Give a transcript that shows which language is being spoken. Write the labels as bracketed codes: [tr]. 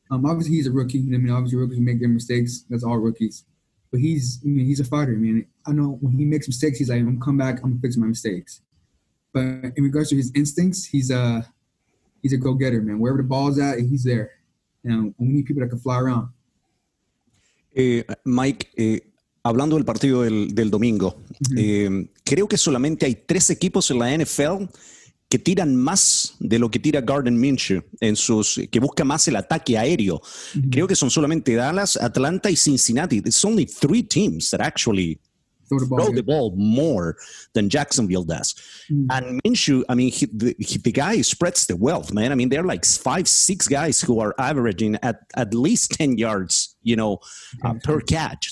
[en] Obviously he's a rookie. I mean, obviously rookies make their mistakes. That's all rookies. But he's a fighter. I mean, I know when he makes mistakes, he's like, I'm gonna come back, I'm gonna fix my mistakes. But in regards to his instincts, he's a go-getter, man. Wherever the ball's at, he's there. And you know, we need people that can fly around. [es] Mike, hablando del partido del domingo, creo que solamente hay tres equipos en la NFL que tiran más de lo que tira Gardner Minshew, que busca más el ataque aéreo. Mm-hmm. Creo que son solamente Dallas, Atlanta y Cincinnati. [en] It's only three teams that actually throw the ball more than Jacksonville does. Mm-hmm. And Minshew, I mean, the guy spreads the wealth, man. I mean, there are like five, six guys who are averaging at least 10 yards, you know, per catch.